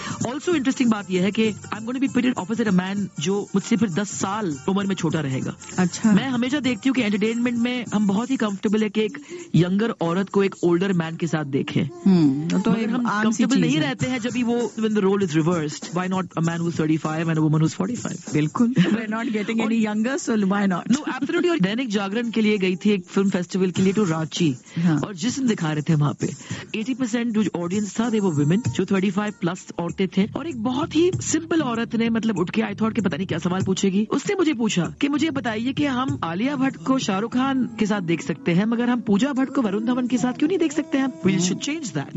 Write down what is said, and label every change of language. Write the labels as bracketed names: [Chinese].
[English] also interesting [Urdu] بات یہ ہے کہ [English] I am going to be put opposite a man [Urdu] جو مجھ سے پھر 10 سال عمر میں چھوٹا رہے گا. اچھا, میں ہمیشہ دیکھتی ہوں کہ انٹرٹینمنٹ میں ہم بہت ہی کمفرٹیبل ہے کہ ایک ینگر عورت کو ایک اولڈر مین کے ساتھ دیکھیں, تو ہم کمفرٹیبل نہیں رہتے ہیں جب وہ [English] when the role is reversed. Why not a man who's 35 and a woman who's 45? [Urdu] بالکل, [English] we're not getting any younger, so why not? No, absolutely. [Urdu] اور دینک جاگرن کے لیے گئی تھی ایک فلم فیسٹیول کے لیے ٹو رانچی, اور جس دن دکھا رہے تھے وہاں پہ 80% جو آڈینس تھا وہ ویمن, جو 35 پلس عورتیں تھے, اور ایک بہت ہی سمپل عورت نے مطلب اٹھ کے [English] I thought [Urdu] کہ پتہ نہیں کیا سوال پوچھے گی. اس نے مجھے پوچھا کہ مجھے بتائیے کہ ہم عالیہ بھٹ کو شاہ رخ خان کے ساتھ دیکھ سکتے ہیں مگر ہم پوجا بھٹ کو ورن دھون کے ساتھ کیوں نہیں دیکھ سکتے ہیں؟ [English] We should change that.